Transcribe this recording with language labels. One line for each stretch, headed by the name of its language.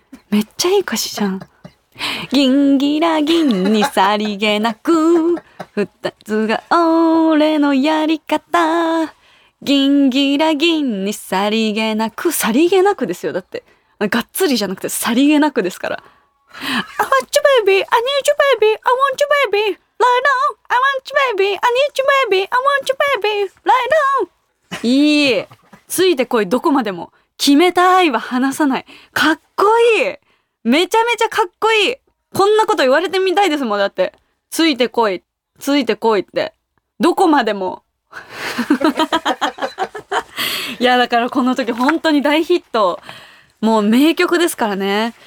Japanese: めっちゃいい歌詞じゃん。銀ギラ銀にさりげなく二つが俺のやり方、銀ギラ銀にさりげなく、さりげなくですよ。だってがっつりじゃなくてさりげなくですから。
English: I want you baby, I need you baby, I want you baby, right now. I want you baby, I need you baby, I want you baby, right now.
Japanese: いい、ついてこい、どこまでも決めた愛は離さない。かっこいい、めちゃめちゃかっこいい。こんなこと言われてみたいですもん。だってついてこい、ついてこいって、どこまでも。いやだからこの時本当に大ヒット、もう名曲ですからね。